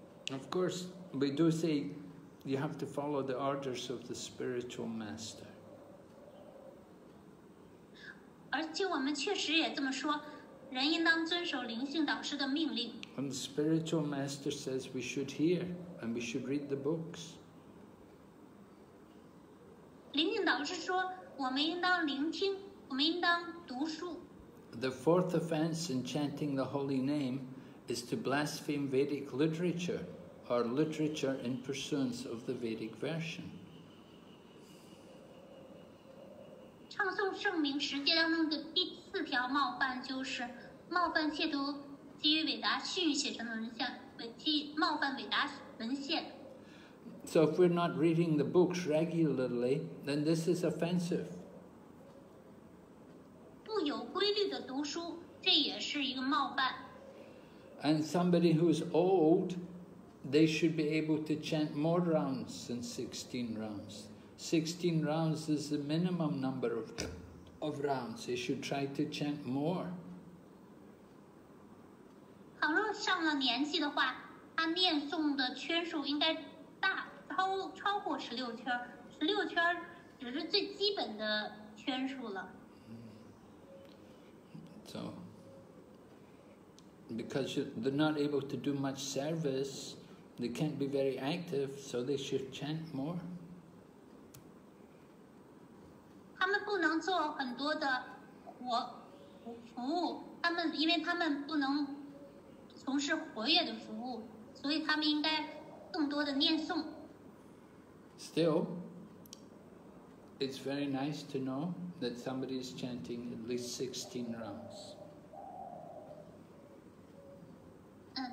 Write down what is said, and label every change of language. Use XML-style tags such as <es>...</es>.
<en>Of course, we do say you have to follow the orders of the spiritual master.</en> <zh>而且我们确实也这么说，人应当遵守灵性导师的命令。</zh> <en>And the spiritual master says we should hear and we should read the books.</en> <zh>灵性导师说，我们应当聆听，我们应当读书。</zh> <en>The fourth offense in chanting the holy name is to blaspheme Vedic literature or literature in pursuance of the Vedic version.</en> <zh>唱诵圣名十诫当中的第四条冒犯就是冒犯亵渎基于伟达训谕写成的文献，冒犯伟达文献。</zh> <en>So if we're not reading the books regularly, then this is offensive.</en> <zh>不有规律的读书，这也是一个冒犯。</zh> <en>And somebody who is old, they should be able to chant more rounds than 16 rounds. 16 rounds is the minimum number of rounds. They should try to chant more.</en> <zh>倘若上了年纪的话，他念诵的圈数应该大，超过十六圈。十六圈只是最基本的圈数了。</zh> <en>So, because they're not able to do much service, they can't be very active, so they should chant more.</en> <zh>他们不能做很多的活服务，他们因为他们不能从事活跃的服务，所以他们应该更多的念诵。</zh> <en>Still, it's very nice to know that somebody is chanting at least 16 rounds.</en>